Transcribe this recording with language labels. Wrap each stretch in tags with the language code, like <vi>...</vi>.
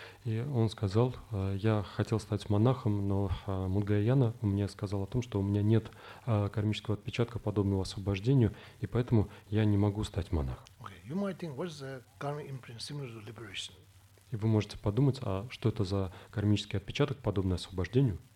<ru>И он сказал, я хотел стать монахом, но Мунгаяна мне сказал о том, что у меня нет кармического отпечатка подобного освобождению, и поэтому я не могу стать монахом.</ru> <en>Okay, you might think, what's the karmic imprint similar to liberation?</en> <ru>И вы можете подумать, а что это за кармический отпечаток подобное освобождению?</ru>